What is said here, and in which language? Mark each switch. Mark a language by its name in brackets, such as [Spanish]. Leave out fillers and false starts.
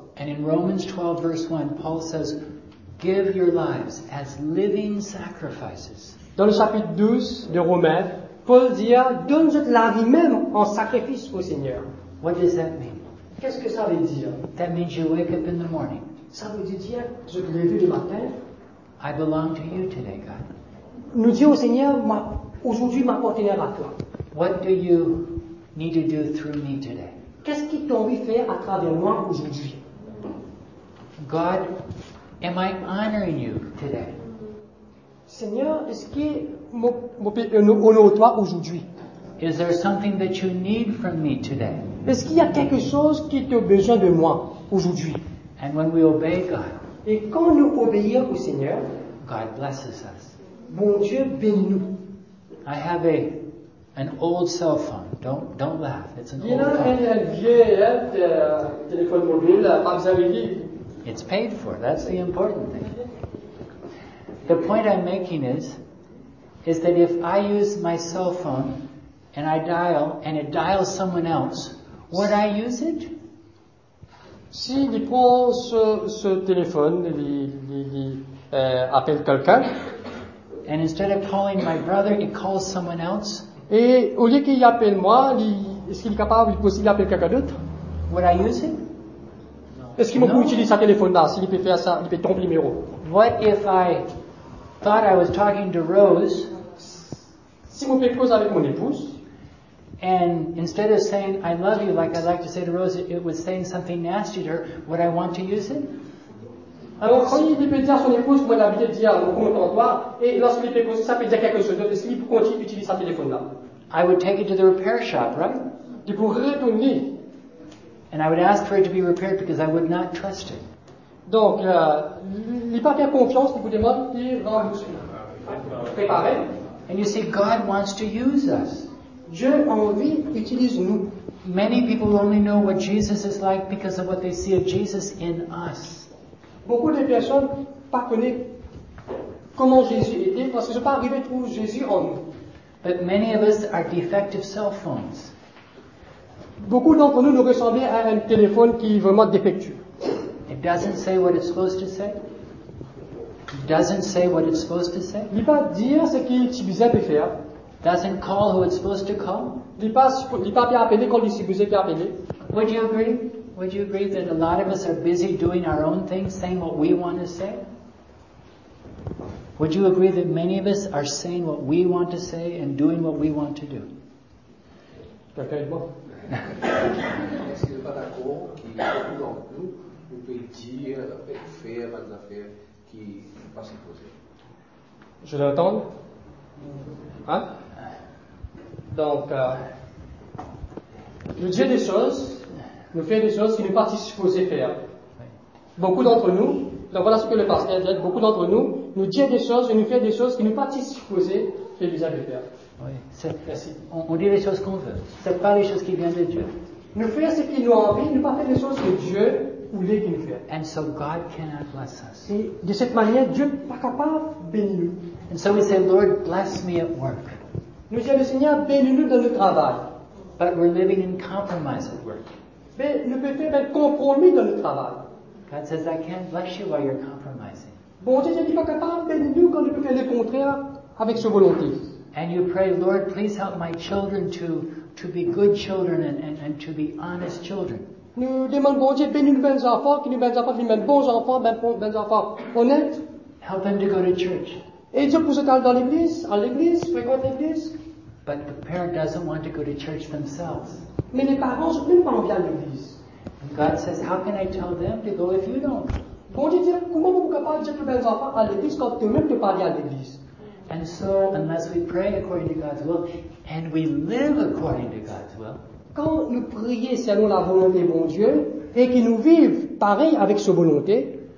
[English] And in Romans 12, verse 1, Paul says, give your lives as living sacrifices. [French] Dans le chapitre 12 de Romains, Paul dit, donne-je la vie même en sacrifice au Seigneur. [English] What does that mean? [French] Qu'est-ce que ça veut dire? [English] That means you wake up in the morning. [French] Ça veut dire, je te lève le matin. [English] I belong to you today, God. [French] Nous dit au Seigneur, aujourd'hui m'appartient à toi. [English] What do you need to do through me today? [French] Qu'est-ce que tu as envie de faire à travers moi aujourd'hui? [English] God, am I honoring you today? [French] Seigneur, est-ce que m'honore toi aujourd'hui? [English] Is there something that you need from me today? [French] Est-ce qu'il y a quelque chose qui a besoin de moi aujourd'hui? [English] And when we obey God, [French] et quand nous obéissons au Seigneur, [English] God blesses us. [French] Mon Dieu bénit nous. [English] I have an old cell phone. Don't laugh. It's an old phone. [French] Il y a un vieux téléphone mobile, pas besoin de dire. [English] It's paid for. That's the important thing. The point I'm making is that if I use my cell phone and I dial and it dials someone else, would I use it? [French] Si il prend ce téléphone, il appelle quelqu'un. [English] And instead of calling my brother, it calls someone else. [French] Et au lieu qu'il appelle moi, est-ce qu'il est capable, possible d'appeler quelqu'un d'autre? [English] Would I use it? [French] Est-ce qu'il peut utiliser ce téléphone-là? S'il peut faire ça, il peut tromper le numéro. [English] What if I thought I was talking to Rose? [French] Si mon père cause avec mon épouse. [English] And instead of saying I love you like I like to say to Rose, it was saying something nasty to her. Would I want to use it? [French] Donc, s'il peut dire à son épouse, moi, d'habiter de dire au comptoir, et lorsqu'il est posé, ça peut dire quelque chose. Donc, s'il continue d'utiliser ce téléphone-là. [English] I would take it to the repair shop, right? [French] Je pourrais retourner. [English] And I would ask for it to be repaired because I would not trust it. [French] Donc, il n'est pas bien confiance, il vous demande de rendre cela. Préparer. [English] And you see, God wants to use us. [French] Dieu a envie d'utiliser nous. [English] Many people only know what Jesus is like because of what they see of Jesus in us. [French] Beaucoup de personnes ne connaissent pas comment Jésus était parce qu'ils ne sont pas arrivés à trouver Jésus en nous. [English] But many of us are defective cell phones. [French] Beaucoup d'entre nous ressemblent à un téléphone qui est vraiment défectueux. [English] It doesn't say what it's supposed to say. It doesn't say what it's supposed to say. [French] Il pas dire ce qu'il est supposé de faire. [English] Doesn't call who it's supposed to call. [French] Il pas bien appeler quand il est supposé bien appeler. [English] Would you agree that a lot of us are busy doing our own things, saying what we want to say? Would you agree that many of us are saying what we want to say and doing what we want to do? [French] Quelqu'un est bon. Est-ce pas d'accord qu'il y a beaucoup d'entre nous on peut dire et faire des affaires qui ne sont pas supposées. Je vais attendre. Hein? Donc, nous dire des choses, nous faire des choses qui ne sont pas supposées faire. Beaucoup d'entre nous, donc voilà ce que le pasteur dit, beaucoup d'entre nous, nous dire des choses et nous faire des choses qui ne sont pas supposées faire l'usage de faire. Oui, c'est, merci. On dit les choses qu'on veut. Ce n'est pas les choses qui viennent de Dieu. Nous faire ce qui nous a envie, nous ne pas faire les choses que Dieu. [English] And so God cannot bless us. [French] Et de cette manière, Dieu n'est pas capable de bénir nous. [English] And so we say, Lord, bless me at work. [French] Nous disons, Seigneur, bénis-nous dans le travail. [English] But we're living in compromise at work. [French] Mais nous pouvons faire un compromis dans le travail. [English] God says, I can't bless you while you're compromising. [French] Bon Dieu, je ne suis pas capable de bénir nous quand je peux faire le contraire avec sa volonté. [English] And you pray, Lord, please help my children to be good children and to be honest children. [French] Nous demandons bon Dieu bénis nos bons enfants, qui nous bénissent pas, qui nous bons enfants, bons enfants honnêtes. [English] Help them to go to church. [French] Et Dieu pousse qu'ils dans l'église, à l'église, fréquente l'église. [English] But the parent doesn't want to go to church themselves. [French] Mais les parents ne veulent pas envie à l'église. [English] And God says, how can I tell them to go if you don't? [French] Bon Dieu dit, comment vous pouvez pas dire que bons enfants à l'église quand tu même ne pas aller à l'église? [English] And so, unless we pray according to God's will, and we live according to God's will. [French] Quand nous prions selon la volonté de mon Dieu et qu'il nous vive pareil avec sa volonté,